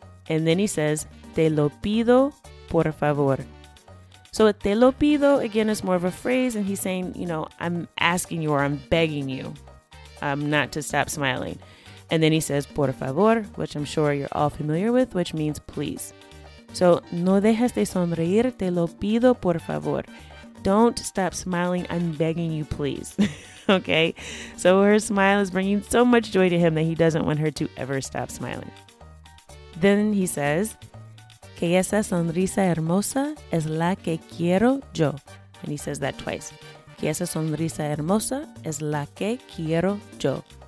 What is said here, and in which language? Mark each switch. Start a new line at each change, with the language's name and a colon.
English: And then he says,
Spanish: te lo pido, por favor.
English: So,
Spanish: te lo pido,
English: again, is more of a phrase, and he's saying, you know, I'm asking you or I'm begging you not to stop smiling. And then he says, por favor, which I'm sure you're all familiar with, which means please.
Spanish: So, no dejes de sonreír, te lo pido, por favor.
English: Don't stop smiling, I'm begging you, please. Okay, so her smile is bringing so much joy to him that he doesn't want her to ever stop smiling. Then he says,
Spanish: que esa sonrisa hermosa es la que quiero yo.
English: And he says that twice.
Spanish: Que esa sonrisa hermosa es la que quiero yo.